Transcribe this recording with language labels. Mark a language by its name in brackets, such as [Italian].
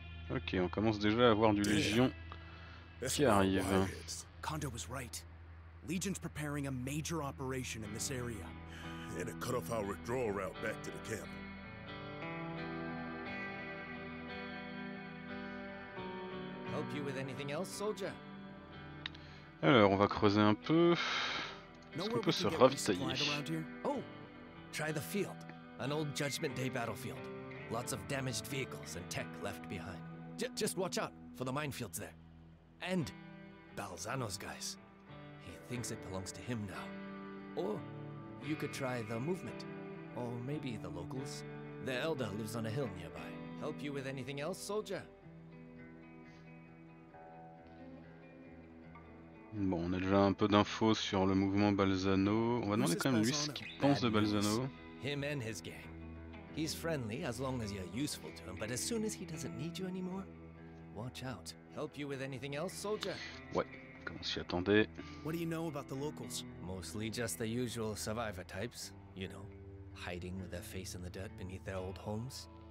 [French] Ok, on commence déjà à voir du Légion qui arrive. [English] Kondo was right. Legion's preparing a major operation in this area. And it cut off our withdrawal route back to the camp. Help you with anything else, soldier? [French] Alors, on va creuser un peu. Est-ce qu'on peut se ravitailler? [English] Oh, try the field. An old Judgment Day battlefield. Lots of damaged vehicles and tech left behind. Just watch out for the minefields there. And Balzano's guys. He thinks it belongs to him now. Or you could try the movement. Or maybe the locals. The Elder lives on a hill nearby. Help you with anything else, soldier? [French] Bon, on a déjà un peu d'infos sur le mouvement Balzano. On va demander quand même lui ce qu'il pense de Balzano. [English] Him and his gang. He's friendly as long as you're useful to him, but as soon as he doesn't need you anymore, watch out. Help you with anything else, soldier? [French] Ouais, comme on s'y attendait. [English] What do you know about the locals? Mostly just the usual survivor types, you know, hiding with their face in the dirt beneath their old homes.